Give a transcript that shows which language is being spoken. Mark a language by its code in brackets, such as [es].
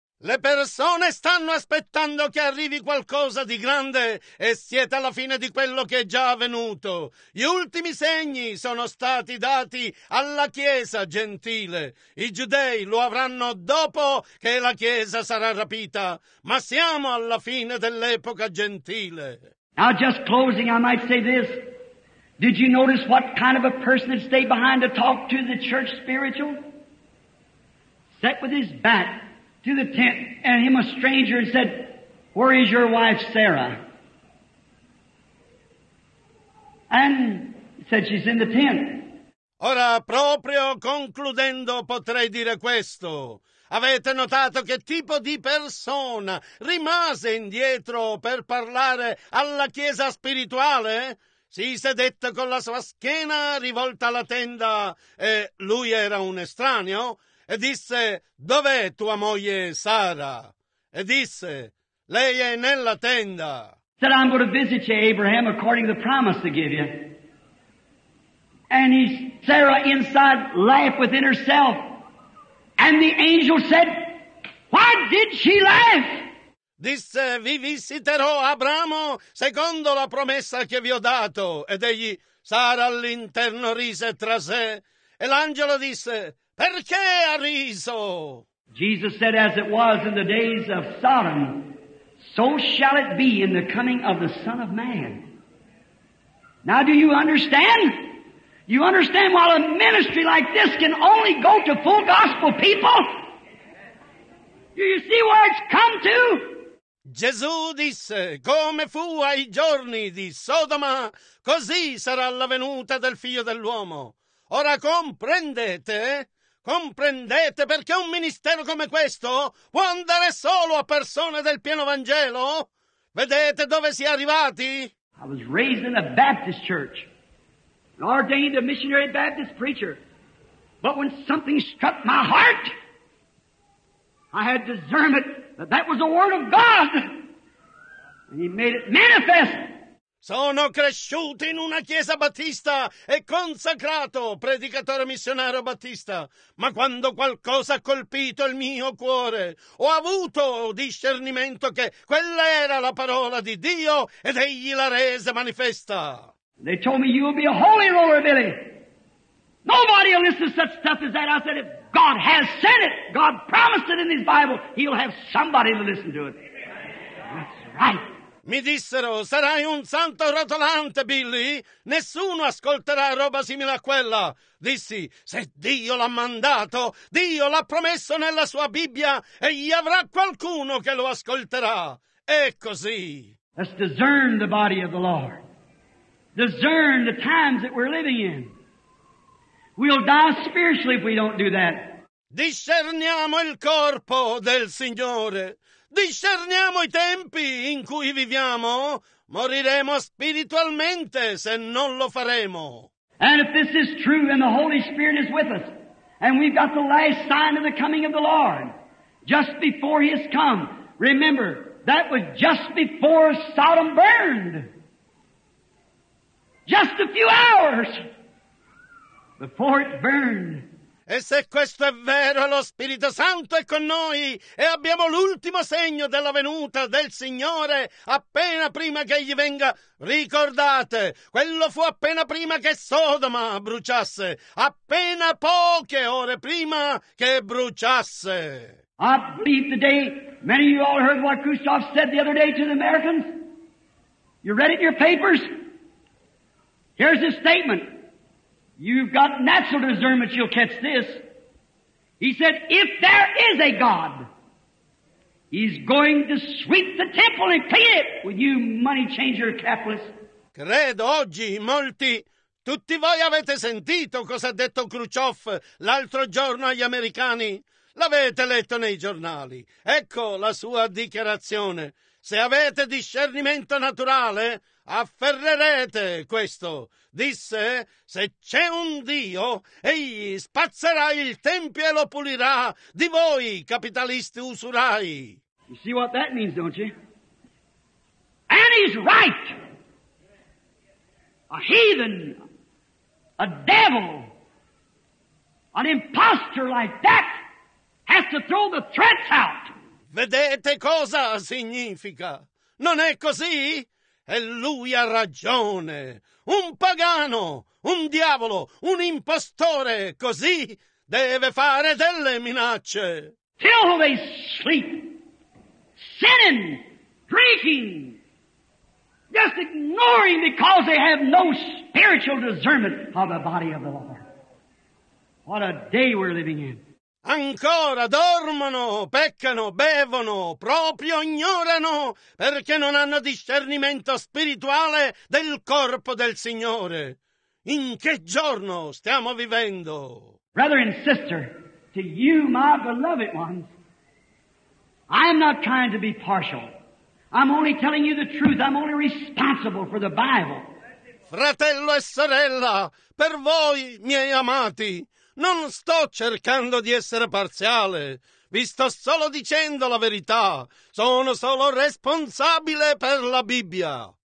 [it] Le persone stanno aspettando che arrivi qualcosa di grande e siete alla fine di quello che è già avvenuto. Gli ultimi segni sono stati dati alla Chiesa gentile. I giudei lo avranno dopo che la Chiesa sarà rapita, ma siamo alla fine dell'epoca gentile. [en] Now just closing, I might say this. Did you notice what kind of a person had stayed behind to talk to the church spiritual? Set with his back to the tent and him a stranger and said, where is your wife Sarah? And said, she's in the tent. [it] Ora, proprio concludendo, potrei dire questo. Avete notato che tipo di persona rimase indietro per parlare alla chiesa spirituale? Si sedette con la sua schiena rivolta alla tenda e lui era un estraneo e disse, dov'è tua moglie Sara? E disse, lei è nella tenda. [en] Said, I'm going to visit you, Abraham, according to the promise to give you. And he, Sarah inside laughed within herself. And the angel said, why did she laugh? [it] Disse, vi visiterò, Abramo, secondo la promessa che vi ho dato. Ed egli, Sara all'interno, rise tra sé. E l'angelo disse, perché ha riso? [en] Jesus said, as it was in the days of Sodom, so shall it be in the coming of the Son of Man. Now do you understand? You understand why a ministry like this can only go to full gospel people? Do you see where it's come to? [it] Gesù disse, come fu ai giorni di Sodoma, così sarà la venuta del Figlio dell'uomo. Ora comprendete? Comprendete perché un ministero come questo può andare solo a persone del pieno Vangelo? Vedete dove si è arrivati? [en] I was raised in a Baptist church. Ordained a missionary Baptist preacher. But when something struck my heart, I had discernment that that was the word of God. And he made it manifest. [it] Sono cresciuto in una chiesa battista e consacrato predicatore missionario battista. Ma quando qualcosa ha colpito il mio cuore, ho avuto discernimento che quella era la parola di Dio ed egli l'ha resa manifesta. [en] They told me, you'll be a holy roller, Billy. Nobody will listen to such stuff as that. I said, if God has said it, God promised it in his Bible, he'll have somebody to listen to it. That's right. [it] Mi dissero, sarai un santo rotolante, Billy. Nessuno ascolterà roba simile a quella. Dissi, se Dio l'ha mandato, Dio l'ha promesso nella sua Bibbia e gli avrà qualcuno che lo ascolterà. È così. [en] Let's discern the body of the Lord. Discern the times that we're living in. We'll die spiritually if we don't do that. [it] Discerniamo il corpo del Signore. Discerniamo i tempi in cui viviamo. Moriremo spiritualmente se non lo faremo. [en] And if this is true and the Holy Spirit is with us, and we've got the last sign of the coming of the Lord, just before He has come, remember, that was just before Sodom burned. Just a few hours before it burned. [it] E se questo è vero, lo Spirito Santo è con noi e abbiamo l'ultimo segno della venuta del Signore appena prima che Egli venga. Ricordate, quello fu appena prima che Sodoma bruciasse, appena poche ore prima che bruciasse. [en] I believe today, many of you all heard what Khrushchev said the other day to the Americans. You read it in your papers? Here's his statement. You've got natural discernment, you'll catch this. He said, if there is a God, He's going to sweep the temple and clean it with you money changer capitalists. [it] Credo oggi molti, tutti voi avete sentito cosa ha detto Khrushchev l'altro giorno agli americani. L'avete letto nei giornali. Ecco la sua dichiarazione. Se avete discernimento naturale, afferrerete questo. Disse, se c'è un Dio, Egli spazzerà il Tempio e lo pulirà di voi, capitalisti usurai. [en] You see what that means, don't you? And he's right! A heathen, a devil, an imposter like that has to throw the threats out! [it] Vedete cosa significa? Non è così? E lui ha ragione. Un pagano, un diavolo, un impostore, così deve fare delle minacce. [en] Till they sleep, sinning, drinking, just ignoring because they have no spiritual discernment of the body of the Lord. What a day we're living in. [it] Ancora dormono, peccano, bevono, proprio ignorano, perché non hanno discernimento spirituale del corpo del Signore. In che giorno stiamo vivendo? [en] Brother and sister, to you, my beloved ones, I'm not trying to be partial. I'm only telling you the truth. I'm only responsible for the Bible. [it] Fratello e sorella, per voi, miei amati, non sto cercando di essere parziale, vi sto solo dicendo la verità. Sono solo responsabile per la Bibbia.